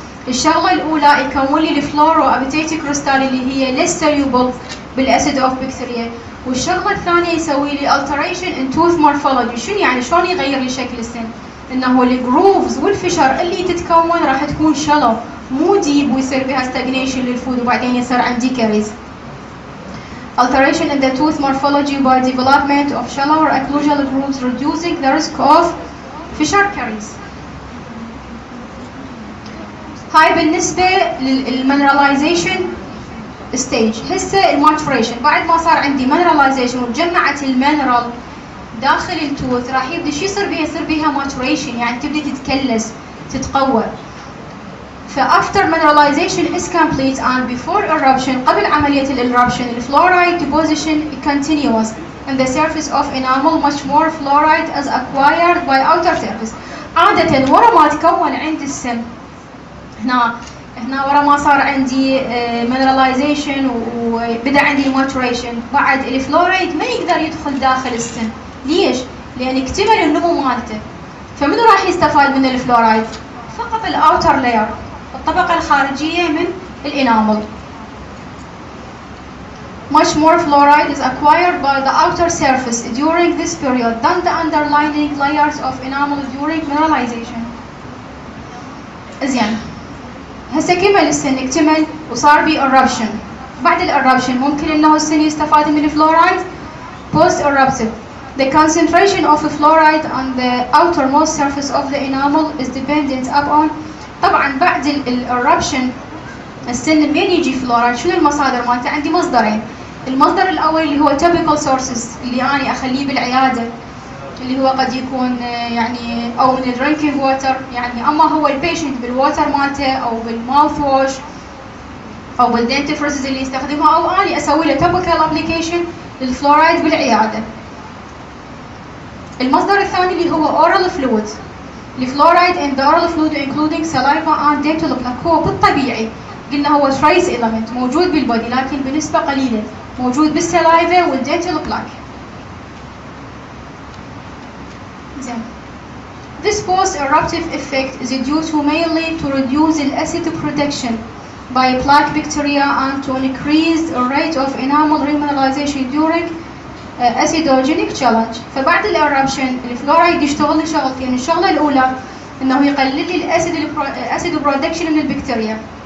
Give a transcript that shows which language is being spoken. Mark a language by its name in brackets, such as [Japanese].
[Arabic] الشغلة الأولى يكون لي الفلوروابيتيتي كريستال اللي هي [English] less soluble [Arabic] بالأسيد of بكتيريا. والشغلة الثانية يسوي لي [English] alteration in tooth morphology. [Arabic] شنو يعني شلون يغير لي شكل السن؟ إنه الجروفز والفشر اللي تتكون راح تكون شالو. مو ديب ويصير بها stagnation للفود وبعدين يصير عندي كاريز. [English] Alteration in the tooth morphology by development of shallower occlusal grooves reducing the risk of fissure caries. [Arabic] هاي بالنسبة للmineralization stage. هسه الماتوريشن بعد ما صار عندي mineralization وتجمعت المينرال داخل التوث راح يبدي شو يصير بها؟ يصير بها maturation يعني تبدي تتكلس تتقوى. [English] After mineralization is complete and before eruption, [Arabic] قبل عملية الإيروبشن, [English] fluoride deposition continues in the surface of enamel. Much more fluoride is acquired by outer surface. [Arabic] عادة ورا ما تكون عند السن هنا ورا ما صار عندي mineralization وبدأ عندي maturation بعد الفلورايد ما يقدر يدخل داخل السن. ليش؟ لأن اكتمل النمو مالته. فمنو راح يستفاد من الفلورايد؟ فقط الأوتر لير. الطبقة الخارجية من الإنامل. [English] Much more fluoride is acquired by the outer surface during this period than the underlying layers of enamel during mineralization. [Arabic] زين. هسه كمل السن اكتمل وصار بي eruption. بعد ال eruption ممكن انه السن يستفاد من الفلورايد. [English] Post eruptive. The concentration of the fluoride on the outermost surface of the enamel is dependent upon. [Arabic] طبعا بعد الاربشن السن منين يجي فلورايد؟ شنو المصادر مالته؟ عندي مصدرين. المصدر الاول اللي هو تيبيكال سورسز اللي انا اخليه بالعياده اللي هو قد يكون يعني او من الدرينكينج ووتر يعني اما هو البيشنت بالووتر مالته او بالماوث ووش او بالدنتيفريز اللي يستخدمها او انا اسوي له تيبيكال ابلكيشن للفلورايد بالعياده. المصدر الثاني اللي هو اورال فلويد. الفلورايد [English] in the oral fluid including saliva and dental plaque [Arabic] هو بالطبيعي قلنا هو [English] trace element [Arabic] موجود بالبودي لكن بنسبة قليلة موجود بالسلايفا والدنتال بلاك. [English] This post eruptive effect is due to mainly to reduce the acid production by plaque bacteria and to increase the rate of enamel remineralization during acidogenic challenge. [Arabic] فبعد الاربشن الفلورايد يشتغل شغلتين. يعني الشغلة الأولى إنه يقلل لي الأسيد الأسيد برودكشن من البكتيريا.